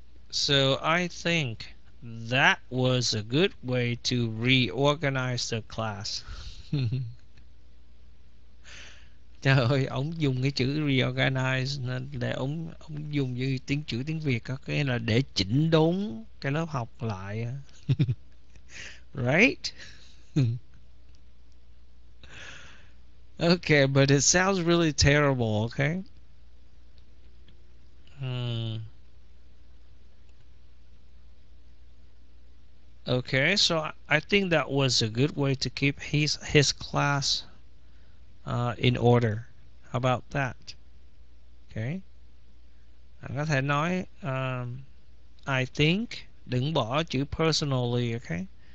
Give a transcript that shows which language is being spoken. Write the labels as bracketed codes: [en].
[en] So I think that was a good way to reorganize the class. [vi] Trời ơi, ông dùng cái chữ reorganize để ông dùng như tiếng chữ tiếng Việt có cái là để chỉnh đốn cái lớp học lại. [en] Right? Okay, but it sounds really terrible, okay? Okay, so I think that was a good way to keep his class in order. How about that? Okay. [vi] Anh có thể nói [en] I think, [vi] đừng bỏ chữ personally, okay?